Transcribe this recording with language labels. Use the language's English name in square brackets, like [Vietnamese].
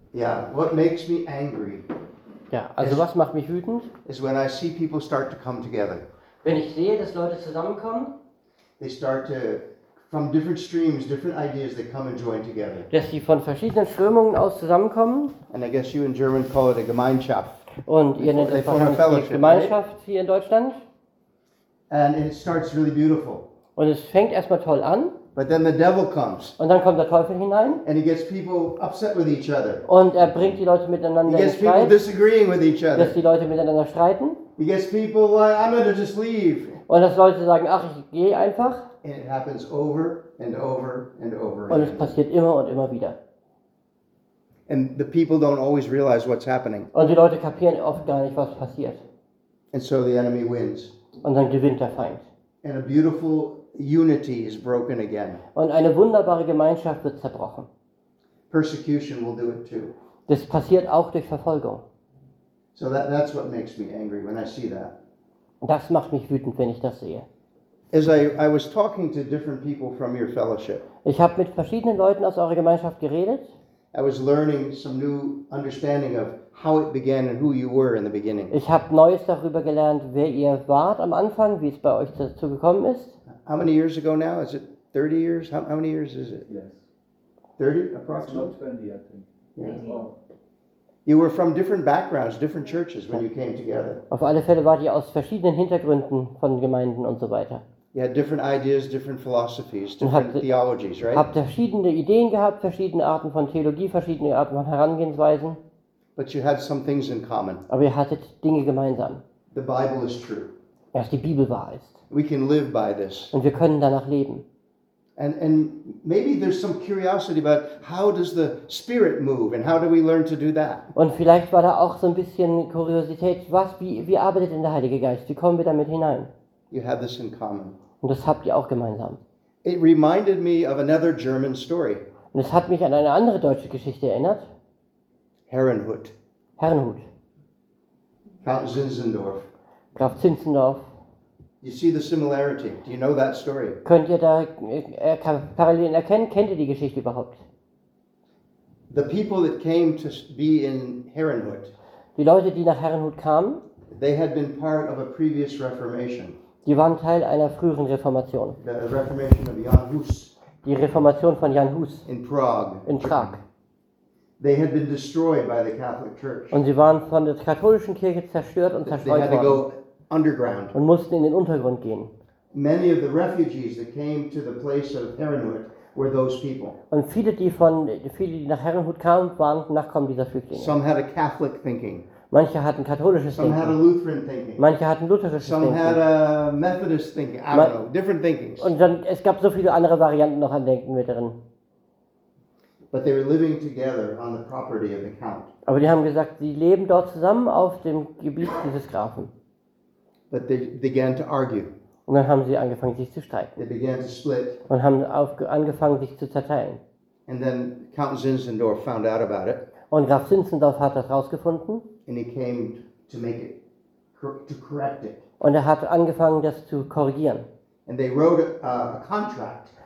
[English] Yeah, what makes me angry? [German] Ja, also was macht mich wütend? [English] Is when I see people start to come together. [German] Wenn ich sehe, dass Leute zusammenkommen. [English] They start to from different streams, different ideas, they come and join together. [German] Dass sie von verschiedenen Strömungen aus zusammenkommen. [English] And I guess you in German call it a Gemeinschaft. [German] Und ihr nennt es eine Gemeinschaft hier in Deutschland. [English] And it starts really beautiful. [German] Und es fängt erstmal toll an. [English] But then the devil comes. [German] Und dann kommt der Teufel hinein. [English] And he gets people upset with each other. [German] Und er bringt die Leute miteinander in Streit. [English] He gets people disagreeing with each other. [German] Dass die Leute miteinander streiten. [English] He gets people like, I'm gonna just leave. [German] Und dass Leute sagen, ach, ich gehe einfach. [English] And it happens over and over and over [German] again. Und es passiert immer und immer wieder. [English] And the people don't always realize what's happening. [German] Und die Leute kapieren oft gar nicht, was passiert. [English] And so the enemy wins. [German] Und dann gewinnt der Feind. [English] And a beautiful unity is broken again. [German] Und eine wunderbare Gemeinschaft wird zerbrochen. [English] Persecution will do it too. [German] Das passiert auch durch Verfolgung. [English] So that's what makes me angry when I see that. [German] Das macht mich wütend, wenn ich das sehe. [English] As I was talking to different people from your fellowship. [German] Ich habe mit verschiedenen Leuten aus eurer Gemeinschaft geredet. [English] I was learning some new understanding of how it began and who you were in the beginning. [German] Ich habe Neues darüber gelernt, wer ihr wart am Anfang, wie es bei euch dazu gekommen ist. [English] How many years ago now? Is it 30 years? How many years is it? Yes. 30? Approximately 20, I think. You were from different backgrounds, different churches when you came together. [German] Auf alle Fälle wart ihr aus verschiedenen Hintergründen von Gemeinden und so weiter. [English] You had different ideas, different philosophies, different theologies, right? [German] Habt verschiedene Ideen gehabt, verschiedene Arten von Theologie, verschiedene Arten von Herangehensweisen. [English] But you had some things in common. [German] Aber ihr hattet Dinge gemeinsam. [English] The Bible is true. [German] Erst die Bibel wahr ist. [English] We can live by this. [German] Und wir können danach leben. [English] And maybe there's some curiosity about how does the Spirit move and how do we learn to do that? [German] Und vielleicht war da auch so ein bisschen Kuriosität, wie arbeitet denn der Heilige Geist? Wie kommen wir damit hinein? [English] You have this in common. [German] Und das habt ihr auch gemeinsam. [English] It reminded me of another German story. [German] Und es hat mich an eine andere deutsche Geschichte erinnert. Herrenhut. Herrenhut. Graf Zinzendorf. Graf Zinzendorf. [English] You see the similarity. Do you know that story? [German] Könnt ihr da Parallelen erkennen? Kennt ihr die Geschichte überhaupt? [English] The people that came to be in Herrenhut. [German] Die Leute, die nach Herrenhut kamen. [English] They had been part of a previous Reformation. [German] Die waren Teil einer früheren Reformation. [English] The Reformation of Jan Hus. [German] Die Reformation von Jan Hus. [English] In Prague. [German] In Prag. [English] They had been destroyed by the Catholic Church. [German] Und sie waren von der katholischen Kirche zerstört und zerstreut worden. [English] Underground. [German] Und mussten in den Untergrund gehen. [English] Many of the refugees that came to the place of Herrenhut were those people. [German] Und viele, die nach Herrenhut kamen, waren Nachkommen dieser Flüchtlinge. [English] Some had a Catholic thinking. [German] Manche hatten katholisches Denken. [English] Some had a Lutheran thinking. [German] Manche hatten lutherisches [English] Denken. Some had a Methodist thinking. I don't know. Different thinkings. [German] Und dann es gab so viele andere Varianten noch an Denken mit drin. [English] But they were living together on the property of the count. [German] Aber die haben gesagt, sie leben dort zusammen auf dem Gebiet dieses Grafen. [English] But they began to argue. [German] Und dann haben sie angefangen, sich zu streiten. [English] They began to split. [German] Und haben angefangen, sich zu zerteilen. [English] And then Count Zinzendorf found out about it. [German] Und Graf Zinzendorf hat das rausgefunden. [English] And he came to make it, to correct it. [German] Und er hat angefangen, das zu korrigieren. [English] And they wrote a contract.